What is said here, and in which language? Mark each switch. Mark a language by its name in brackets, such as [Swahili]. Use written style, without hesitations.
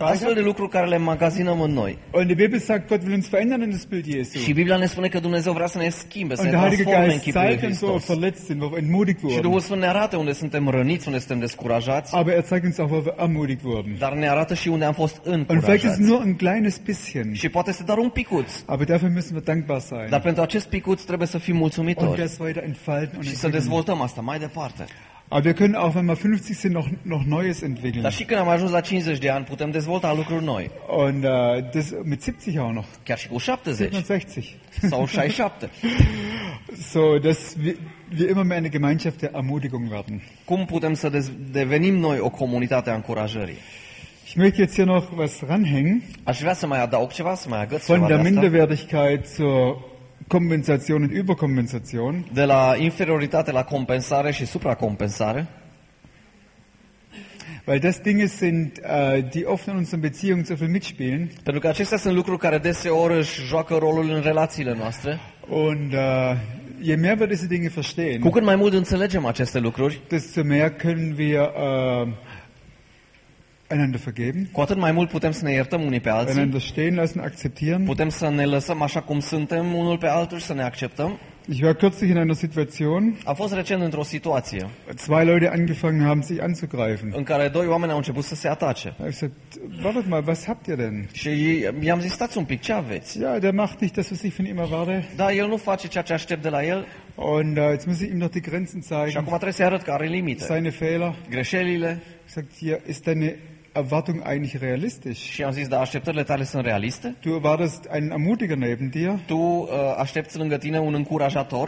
[Romanian] Sunt astfel de lucruri care le magazinăm în noi. [German] Und die Bibel sagt, Gott will uns verändern in das Bild Jesu. [Romanian] Și Biblia ne spune că Dumnezeu vrea să ne schimbe, să ne transforme în chipul lui Hristos. [German] Heilige Geist zeigt uns, wo wir verletzt sind, wo [Romanian] și Duhul Sfânt ne arată unde suntem răniți, unde suntem descurajați. [German] Aber er zeigt uns auch, wo wir ermutigt wurden. [Romanian] Dar ne arată și unde am fost încurajați. [German] Und vielleicht ist nur ein kleines bisschen. [Romanian] Și poate este doar un picuț. [German] Aber dafür müssen wir dankbar sein. [Romanian] Dar pentru acest picuț trebuie să fim mulțumitori. [German] Und das weiter entfalten [Romanian] și să dezvoltăm asta mai departe. [German] Aber wir können auch, wenn wir 50 sind, noch Neues entwickeln. [Romanian] Dar și când am ajuns la 50 de ani, putem dezvolta lucruri noi. [German] Und das mit 70 auch noch. [Romanian] Chiar și cu 70. [German] 67. [Romanian] Sau 67. [German] So, dass wir immer mehr eine Gemeinschaft der Ermutigung werden. [Romanian] Cum putem să devenim noi o comunitate a încurajării? [German] Ich möchte jetzt hier noch was ranhängen. [Romanian] Aș vrea să mai adaug ceva, să mai agăț ceva. [German] Von der Minderwertigkeit zur Kompensation und Überkompensation. [Romanian] De la inferioritate la compensare și supracompensare. [German] Weil das Dinge sind, die oft in unseren Beziehungen so viel mitspielen. [Romanian] Pentru că acestea sunt lucruri care deseori își joacă rolul în relațiile noastre. [German] Und je mehr wir diese Dinge verstehen, [Romanian] cu cât mai mult înțelegem aceste lucruri, [German] desto mehr können wir einander vergeben. [Romanian] Cu atât mai mult putem să ne iertăm unii pe alții. [German] Einander stehen lassen, akzeptieren. [Romanian] Putem să ne lăsăm așa cum suntem unul pe altul și să ne acceptăm. [German] Ich war kürzlich in einer Situation. [Romanian] A fost recent într-o situație. [German] Zwei Leute angefangen haben sich anzugreifen. [Romanian] În care doi oameni au început să se atace. [German] Ich said, "Wartet mal, was habt ihr denn?" [Romanian] Și i-am zis, stați un pic, ce aveți? [German] Ja, der macht nicht das, was ich von ihm erwarte. [Romanian] Da, el nu face ceea ce aștept de la el. [German] Und jetzt muss ich ihm noch die Grenzen zeigen. [Romanian] Și acum trebuie să-i arăt că are limite. [German] Seine Fehler. [Romanian] Greșelile. [German] Sagt hier, ist deine Erwartung eigentlich realistisch? [Romanian] Și am zis, da, așteptările tale sunt realiste? [German] Du erwartest einen Ermutiger neben dir? [Romanian] Tu aștepți lângă tine un încurajator?